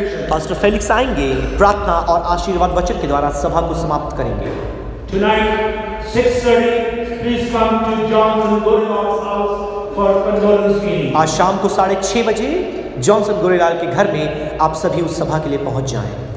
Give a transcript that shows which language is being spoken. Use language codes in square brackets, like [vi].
[hi] Pastor Felix आएंगे, प्रार्थना और आशीर्वाद वचन के द्वारा सभा को समाप्त करेंगे। [en] Tonight, 6:30, please come to Johnson Gorilal's house for condolence meeting. [hi] आज शाम को 6:30 बजे जॉनसन गोरेलाल के घर में आप सभी उस सभा के लिए पहुंच जाएं।